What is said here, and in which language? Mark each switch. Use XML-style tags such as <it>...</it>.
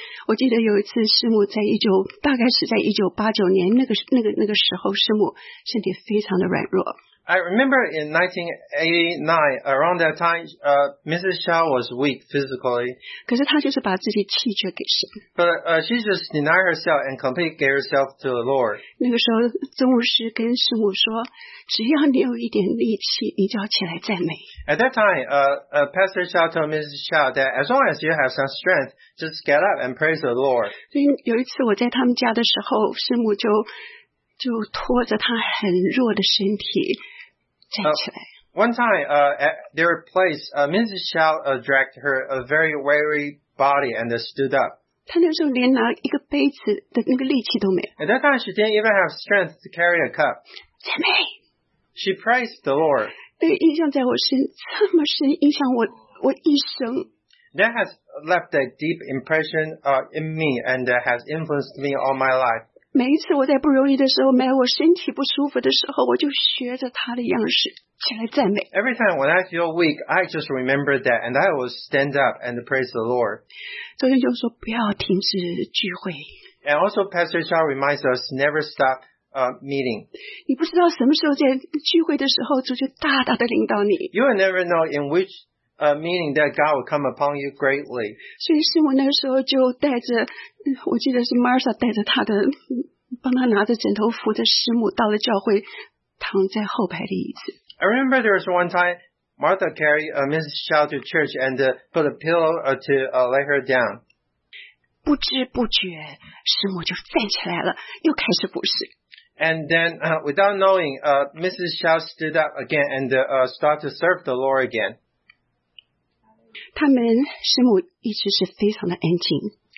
<zh>我记得有一次，师母在1989年那个时候，师母身体非常的软弱。</zh> <en>I remember in 1989, around that time, Mrs. Chow was weak physically.</en> <zh>可是她就是把自己弃绝给神。</zh> <en>But she just denied herself and completely gave herself to the Lord.</en> <zh>那个时候，宗牧师跟师母说，只要你有一点力气，你就要起来赞美。</zh> <en>At that time, Pastor Chow told Mrs. Chow that as long as you have some strength, just get up and praise the Lord.</en> <zh>所以有一次我在他们家的时候，师母就拖着他很弱的身体站起来。</zh> <en>One time, at their place, Mrs. Chow dragged her a very weary body and stood up.</en> <zh>他那时候连拿一个杯子的那个力气都没有。</zh> <en>At that time, she didn't even have strength to carry a cup.</en> <zh>姐妹。</zh> <en>She praised the Lord.</en> <zh>那个印象在我身这么深，影响我一生。</zh> <en>That has left a deep impression in me and has influenced me all my life.</en> <zh>每一次我在不容易的时候，没有我身体不舒服的时候，我就学着他的样式起来赞美。</zh> <en>Every time when I feel weak, I just remember that, and I will stand up and praise the Lord.</en> <zh>所以就说不要停止聚会。</zh> <en>And also, Pastor Chow reminds us never stop meeting.</en> <zh>你不知道什么时候在聚会的时候，主就大大的领导你。</zh> <en>You will never know in which meaning that God will come upon you greatly.</en> <zh>所以师母那时候就带着，我记得是 Martha 带着她的，帮她拿着枕头扶着师母到了教会，躺在后排的椅子。</zh> <en>I remember there was one time Martha carried Mrs. Chow to church and put a pillow to lay her down.</en> <zh>不知不觉，师母就站起来了，又开始服侍。</zh> <en>And then, without knowing, Mrs. Chow stood up again and started to serve the Lord again.</en> <zh>他们师母一直是非常的安静。</zh>